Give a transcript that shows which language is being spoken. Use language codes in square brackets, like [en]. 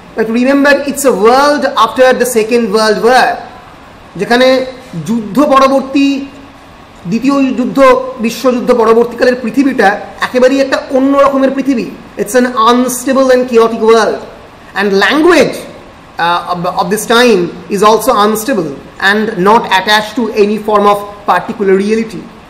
[en] But remember, it's a world after the Second World War. [bn] যেখানে যুদ্ধ পরবর্তী দ্বিতীয় যুদ্ধ বিশ্বযুদ্ধ পরবর্তীকালের পৃথিবীটা একেবারেই একটা অন্য রকমের পৃথিবী. [en] It's an unstable and chaotic world. And language of this time is also unstable and not attached to any form of particular reality.